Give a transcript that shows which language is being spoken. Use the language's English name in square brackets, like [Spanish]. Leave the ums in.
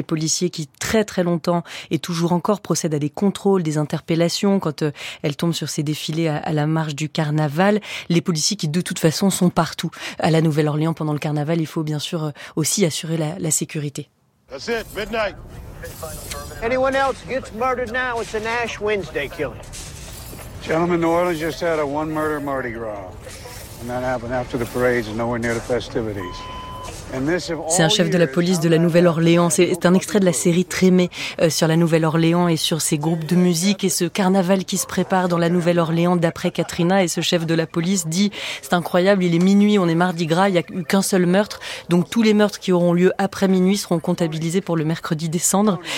[French] Les policiers qui très très longtemps et toujours encore procèdent à des contrôles, des interpellations quand euh, elles tombent sur ces défilés à, à, la marche du carnaval. Les policiers qui de toute façon sont partout. À la Nouvelle-Orléans pendant le carnaval, il faut bien sûr euh, aussi assurer la, la sécurité. [English] That's it, midnight. Anyone else gets murdered now, it's an Ash Wednesday killing. Gentlemen, New Orleans just had a one murder Mardi Gras. And that happened after the parades and nowhere near the festivities. [French] C'est un chef de la police de la Nouvelle-Orléans. C'est un extrait de la série Trémé euh, sur la Nouvelle-Orléans et sur ces groupes de musique et ce carnaval qui se prépare dans la Nouvelle-Orléans d'après Katrina. Et ce chef de la police dit c'est incroyable, il est minuit, on est mardi gras, il n'y a eu qu'un seul meurtre. Donc tous les meurtres qui auront lieu après minuit seront comptabilisés pour le mercredi décembre.